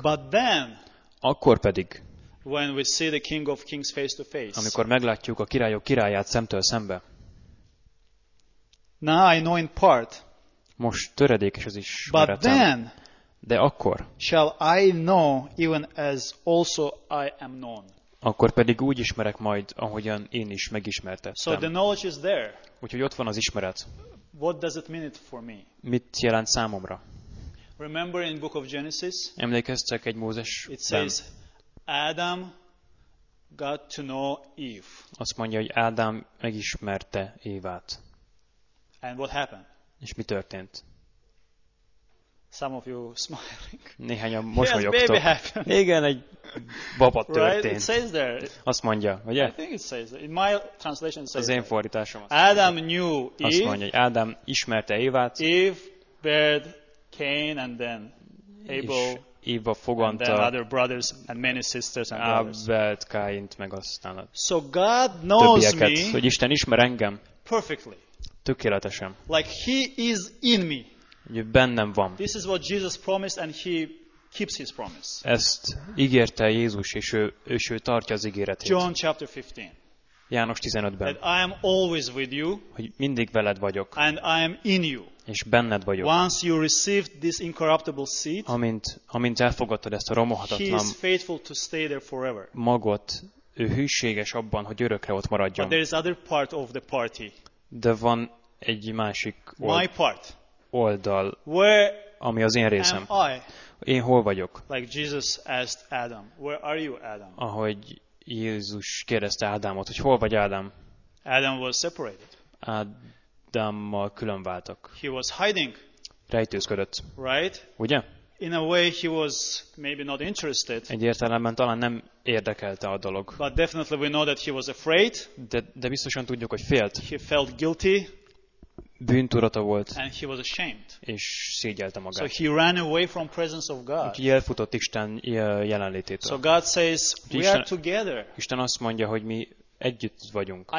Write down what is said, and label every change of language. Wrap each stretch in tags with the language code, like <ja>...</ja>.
<en>But then,</en> <hu>akkor pedig,</hu> <en>when we see the King of Kings face to face,</en> <hu>amikor meglátjuk a királyok királyát szemtől szembe,</hu> <en>now I know in part,</en> <hu>most töredékes az is</hu> <en>but then,</en> <hu>de akkor,</hu> <en>shall I know even as also I am known.</en> <hu>Akkor pedig úgy ismerek majd, ahogyan én is megismertettem.</hu> <en>So the knowledge is there.</en> <hu>Úgyhogy ott van az ismeret.</hu> <en>What does it mean it for me?</en> <hu>Mit jelent számomra?</hu> <en>Remember in Book of Genesis?</en> <hu>Emlékeztek egy Mózesben?</hu> <en>It says Adam got to know Eve.</en> <hu>Azt mondja, hogy Ádám megismerte Évát.</hu> <en>And what happened?</en> <hu>És mi történt?</hu> <en>Some of you smiling.</en> <hu>Néhányan mosolyogtok.</hu> <en>Yes, baby happened.</en> <hu>Igen, egy baba történt.</hu> <en>Right? It says there.</en> <hu>Azt mondja, ugye?</hu> <en>I think it says there. In my translation it says</en> <hu>az én fordításom azt</hu> <en>Adam</en> <hu>mondja.</hu> <en>Knew Eve.</en> <hu>Azt mondja, hogy Ádám ismerte Évát.</hu> <en>Eve bared Cain and then Abel.</en> <hu>Éva fogant</hu> <en>and then other brothers and many sisters and</en> <hu>Abelt, Káint, meg aztán a</hu> <en>so God knows</en> <hu>többieket,</hu> <en>me</en> <hu>hogy Isten ismer engem.</hu> <en>Perfectly.</en> <hu>Tökéletesen.</hu> <en>Like he is in me.</en> <hu>Ugye bennem van.</hu> <en>This is what Jesus promised and he keeps his promise.</en> <hu>Ezt ígérte Jézus, és ő tartja az ígéretét.</hu> <en>John chapter 15.</en> <hu>János 15-ben.</hu> <en>That I am always with you.</en> <hu>Hogy mindig veled vagyok.</hu> <en>And I am in you.</en> <hu>És benned vagyok.</hu> <en>Once you received this incorruptible seed,</en> <hu>amint elfogadtad ezt a romohatatlan,</hu> <en>he is faithful to stay there forever.</en> <hu>Magot, ő hűséges abban, hogy örökre ott maradjon.</hu> <en>But there is other part of the party.</en> <hu>De van egy másik</hu> <en>my part.</en> <hu>Oldal,</hu> <en>where</en> <hu>ami az én részem.</hu> <en>Am I?</en> <hu>Én hol vagyok?</hu> <en>Like Jesus asked Adam, where are you, Adam?</en> <hu>Ahogy Jézus kérdezte Ádámot, hogy hol vagy Ádám?</hu> <en>Adam was separated.</en> <hu>Ádámmal külön váltak.</hu> <en>He was hiding.</en> <hu>Rejtőzködött.</hu> <en>Right?</en> <hu>Ugye?</hu> <en>In a way he was maybe not interested.</en> <hu>Egy értelemben talán nem érdekelte a dolog.</hu> <en>But definitely we know that he was afraid.</en> <hu>De biztosan tudjuk, hogy félt.</hu> <en>He felt guilty.</en> <hu>Bűntudata volt.</hu> <en>And he was ashamed.</en> <hu>És szégyelte magát.</hu> <en>So he ran away from presence of God.</en> <hu>Úgyhogy elfutott Isten jelenlététől.</hu> <en>So God says, we are together.</en> <hu>Isten azt mondja, hogy mi együtt vagyunk.</hu>